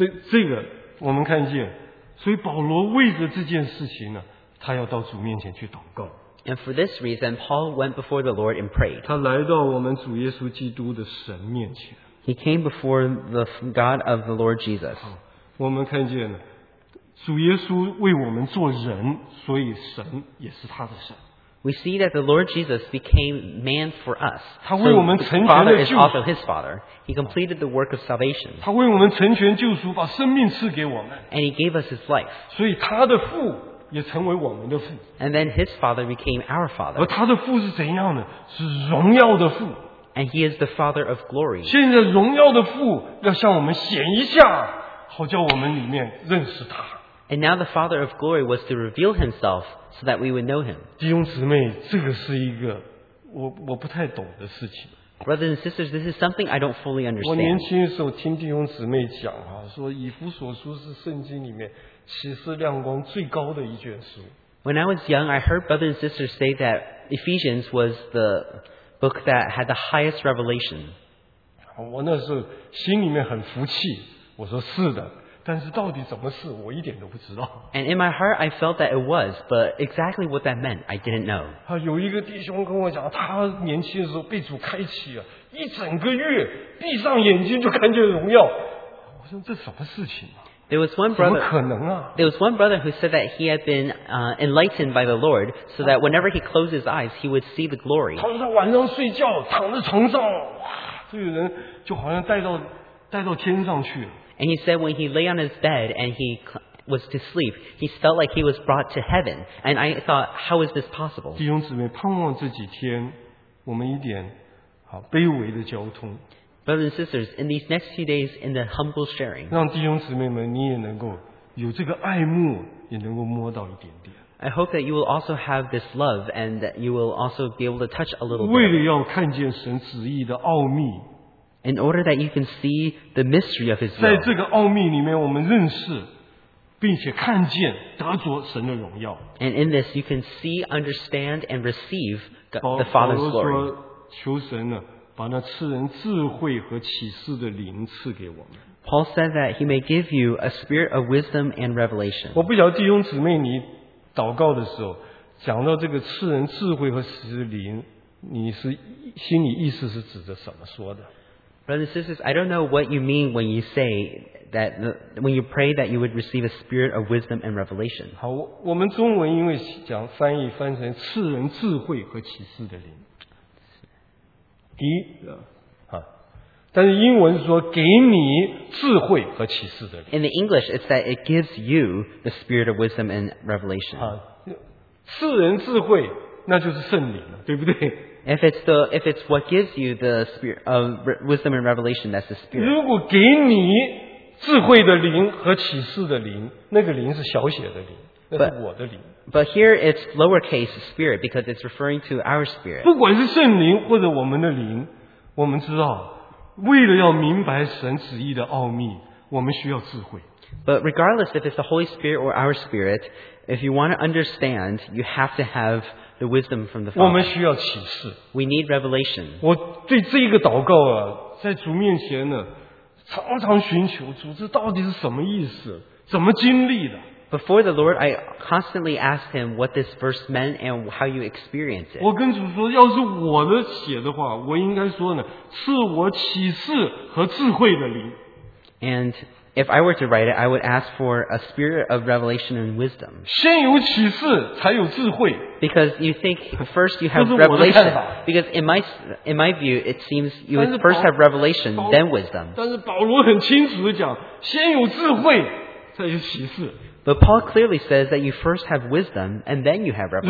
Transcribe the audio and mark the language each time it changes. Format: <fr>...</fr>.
<zh>这个我们看见，所以保罗为着这件事情呢，他要到主面前去祷告。</zh> <en>And for this reason, Paul went before the Lord and prayed.</en> <zh>他来到我们主耶稣基督的神面前。</zh> <en>He came before the God of the Lord Jesus.</en> <zh>我们看见呢。主耶稣为我们做人，所以神也是他的神。</zh> <en>We see that the Lord Jesus became man for us.</en> <zh>他为我们成全了救赎。</zh> <en>So the Father is also His Father. He completed the work of salvation.</en> <zh>他为我们成全救赎，把生命赐给我们。</zh> <en>And He gave us His life.</en> <zh>所以他的父也成为我们的父。</zh> <en>And then His Father became our Father.</en> <zh>而他的父是怎样呢？是荣耀的父。</zh> <en>And He is the Father of glory.</en> <zh>现在荣耀的父要向我们显一下，好叫我们里面认识他。</zh> <en>And now the Father of Glory was to reveal Himself so that we would know Him.</en> <zh>弟兄姊妹，这个是一个我不太懂的事情。</zh> <en>Brothers and sisters, this is something I don't fully understand.</en> <zh>我年轻的时候听弟兄姊妹讲啊，说以弗所书是圣经里面启示亮光最高的一卷书。</zh> <en>When I was young, I heard brothers and sisters say that Ephesians was the book that had the highest revelation.</en> <zh>我那时候心里面很服气，我说是的。但是到底怎么是我一点都不知道。</zh> <en>And in my heart, I felt that it was, but exactly what that meant, I didn't know.</en> <zh>有一个弟兄跟我讲，他年轻的时候被主开启啊，一整个月闭上眼睛就看见荣耀。我说这什么事情啊？</zh> <en>There was one brother.</en> <zh>怎么可能啊？</zh> <en>There was one brother who said that he had been enlightened by the Lord, so that whenever he closed his eyes, he would see the glory.</en> <zh>他说他晚上睡觉躺在床上，哇，这个人就好像带到天上去了。</zh> <en>And he said when he lay on his bed and he was to sleep, he felt like he was brought to heaven. And I thought, how is this possible?</en> <zh>弟兄姊妹，盼望这几天，我们一点好卑微的交通。</zh> <en>Brothers and sisters, in these next few days, in the humble sharing,</en> <zh>让弟兄姊妹们，你也能够有这个爱慕，也能够摸到一点点。</zh> <en>I hope that you will also have this love and that you will also be able to touch a little bit.</en> <zh>为了要看见神旨意的奥秘。</zh> <en>In order that you can see the mystery of His will.</en> <zh>在这个奥秘里面我们认识并且看见得着神的荣耀。</zh> <en>And in this you can see, understand, and receive the Father's glory.</en> <zh>保罗说求神呢把那赐人智慧和启示的灵赐给我们。</zh> <en>Paul said that he may give you a spirit of wisdom and revelation.</en> <zh>我不晓得弟兄姊妹你祷告的时候讲到这个赐人智慧和启示灵你是心里意思是指着什么说的</zh> <en>Brothers and sisters, I don't know what you mean when you say that when you pray that you would receive a spirit of wisdom and revelation.</en> <zh>好我们中文因为讲翻译翻成赐人智慧和启示的灵第一但是英文说给你智慧和启示的灵。</zh> <en>In the English, it's that it gives you the spirit of wisdom and revelation.</en> <zh>赐人智慧，那就是圣灵了，对不对</zh> <en>？If it's what gives you the spirit of wisdom and revelation, that's the spirit.</en> <zh>如果给你智慧的灵和启示的灵，那个灵是小写的灵，那是我的灵。</zh> <en>But here it's lowercase spirit because it's referring to our spirit.</en> <zh>不管是圣灵或者我们的灵，我们知道。为了要明白神旨意的奥秘，我们需要智慧。</zh> <en>But regardless if it's the Holy Spirit or our Spirit, if you want to understand, you have to have the wisdom from the Father.</en> <zh>我们需要启示。</zh> <en>We need revelation.</en> <zh>我对这个祷告啊，在主面前呢，常常寻求主，这到底是什么意思？怎么经历的？</zh> <en>Before the Lord, I constantly asked Him what this verse meant and how you experience it.</en> <zh>我跟主说，要是我的写的话，我应该说呢，赐我启示和智慧的灵。</zh> <en>And if I were to write it, I would ask for a spirit of revelation and wisdom.</en> <zh>先有启示，才有智慧。</zh> <en>Because you think first you have revelation. Because in my view, it seems you would first have revelation, then wisdom.</en> <zh>但是保罗很清楚地讲，先有智慧，才有启示。</zh> <en>But Paul clearly says that you first have wisdom and then you have revelation.</en>